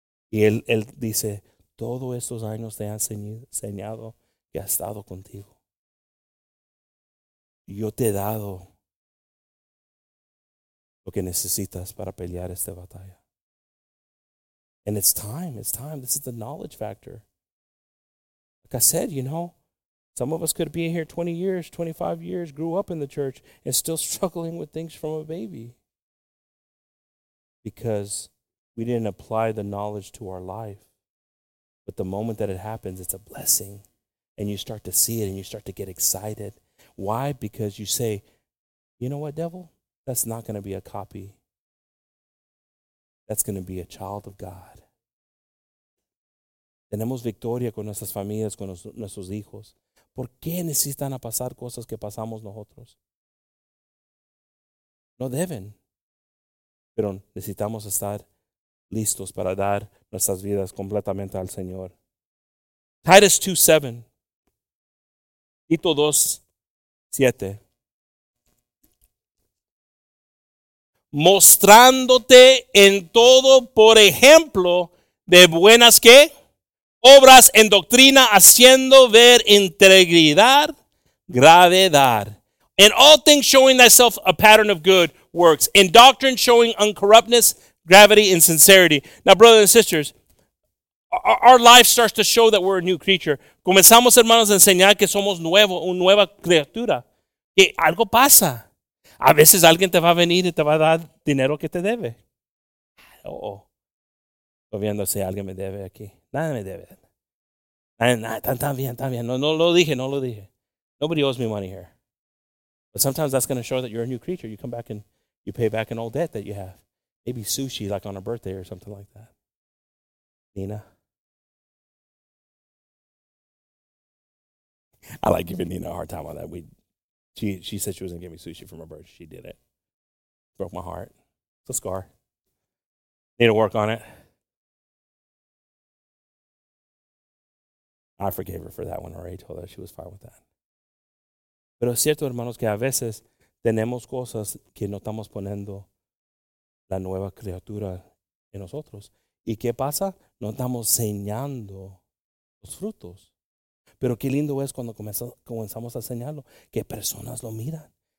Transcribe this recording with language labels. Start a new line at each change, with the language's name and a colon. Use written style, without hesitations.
Spanish: Y Él dice, todos estos años te han enseñado que ha estado contigo. Yo te he dado lo que necesitas para pelear esta batalla.
English: And it's time. This is the knowledge factor. Like I said, you know, some of us could be here 20 years, 25 years, grew up in the church, and still struggling with things from a baby. Because we didn't apply the knowledge to our life. But the moment that it happens, it's a blessing. And you start to see it and you start to get excited. Why? Because you say, you know what, devil? That's not going to be a copy. That's going to be a child of God.
Spanish: Tenemos victoria con nuestras familias, con nuestros hijos. ¿Por qué necesitan pasar cosas que pasamos nosotros? No deben. Pero necesitamos estar listos para dar nuestras vidas completamente al Señor.
English: Titus 2:7. Tito 2:7.
Spanish: Mostrándote en todo, por ejemplo, de buenas ¿qué? Obras en doctrina, haciendo ver integridad, gravedad.
English: In all things showing thyself a pattern of good works. In doctrine showing uncorruptness, gravity, and sincerity. Now, brothers and sisters, our life starts to show that we're a new creature.
Spanish: Comenzamos, hermanos, a enseñar que somos nuevo, una nueva criatura. Que algo pasa. A veces alguien te va a venir y te va a dar dinero que te debe. Estoy viendo si alguien me debe aquí. Nadie me debe. Tan bien. No lo dije.
English: Nobody owes me money here. But sometimes that's going to show that you're a new creature. You come back and you pay back an old debt that you have. Maybe sushi, like on a birthday or something like that. Nina. I like giving Nina a hard time on that. She said she was going to give me sushi for my birthday. She did it. Broke my heart. It's a scar. Need to work on it. I forgave her for that one. I already told her she was fine with that.
Spanish: Pero es cierto, hermanos, que a veces tenemos cosas que no estamos poniendo la nueva criatura en nosotros. ¿Y qué pasa? No estamos enseñando los frutos. Pero qué lindo es cuando comenzamos a enseñarlo, que personas lo miran.